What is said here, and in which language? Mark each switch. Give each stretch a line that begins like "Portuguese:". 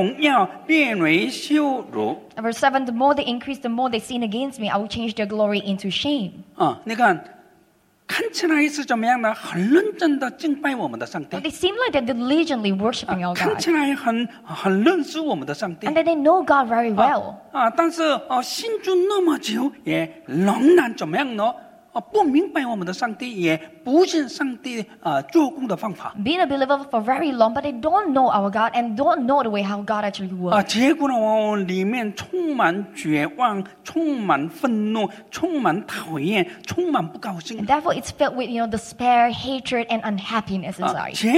Chinese: 祭司越发增多，就越发得罪我，我必使他们的荣耀变为羞辱。
English: Verse 7. The more they increase, the more they sin against me, I will change their glory into shame.
Chinese: 你看。看起来是怎么样呢？很认真地敬拜我们的上帝。
English: They seem like they're diligently worshiping our God.
Chinese: 看起来很认识我们的上帝。
English: And then they know God very well.
Chinese: 但是信主那么久也仍然怎么样呢？不明白我们的上帝，也不信上帝做工的方法。
English: Being a believer for very long, but they don't know our God and don't know the way how God actually works.
Chinese: 结果呢，我里面充满绝望，充满愤怒，充满讨厌，充满不高兴。
English: And therefore, it's filled with, you know, despair, hatred, and unhappiness inside.